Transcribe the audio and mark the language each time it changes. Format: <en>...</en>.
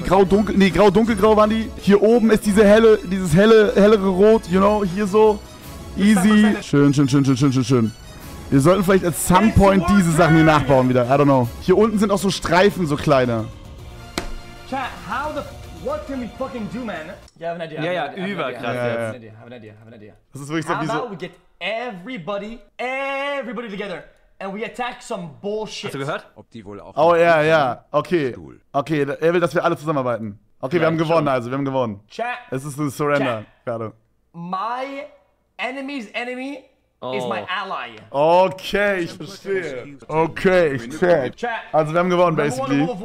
<de>Grau-dunkelgrau waren die. Hier oben ist dieses hellere Rot.</de> <en>You know,</en> <de>hier so. Easy. Schön. Wir sollten vielleicht</de> <en>at some point</en> <de>diese Sachen hier nachbauen wieder.</de> <en>I don't know.</en> <de>Hier unten sind auch so Streifen, so kleine.</de> <en>Chat, what can we fucking do, man?</en> <de>Ja,</de> <en>have an idea.</en> <de>Ja, überkrass. Das ist wirklich so wie so.</de> <en>How about we get everybody together and we attack some bullshit.</en> <de>Hast du gehört? Ob die wohl auch. Oh, ja. Okay, er will, dass wir alle zusammenarbeiten. Okay, yeah, wir haben gewonnen. Chat. Es ist ein Surrender. Gerade.</de> <en>My enemy's enemy. Is my ally.</en> <de>Okay, ich verstehe. Okay, ich check. Also wir haben gewonnen, basically.</de>